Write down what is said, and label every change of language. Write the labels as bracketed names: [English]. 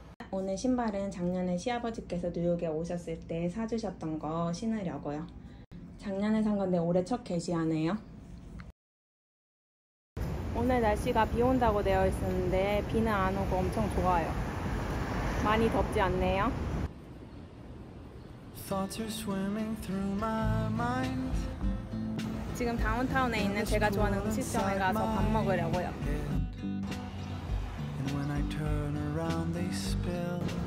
[Korean] 오늘 신발은 작년에 시아버지께서 뉴욕에 오셨을 때 사주셨던 거 신으려고요. 작년에 산 건데 올해 첫 개시하네요. 오늘 날씨가 비 온다고 되어 있었는데 비는 안 오고 엄청 좋아요. 많이 덥지 않네요. [English] Thoughts are swimming through my mind. [Korean] 지금 다운타운에 있는 제가 좋아하는 음식점에 가서 밥 먹으려고요. [English] And when I turn around, they spill.